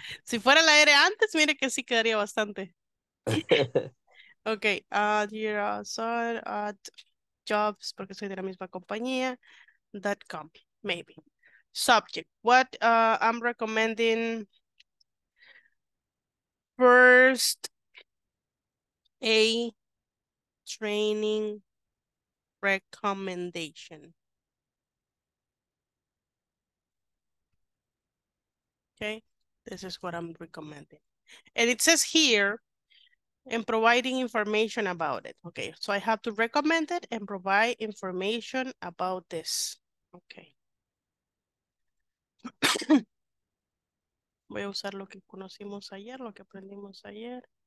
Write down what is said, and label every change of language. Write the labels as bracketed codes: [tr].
[es] Si fuera la R antes, mire que sí quedaría bastante. [en] Okay, at jobs, [es] porque soy de la misma compañía, .com, [en] maybe. Subject, what I'm recommending, first, a training recommendation. Okay, this is what I'm recommending. And it says here, and providing information about it. Okay, so I have to recommend it and provide information about this. Okay. [es] Voy a usar lo que conocimos ayer, lo que aprendimos ayer.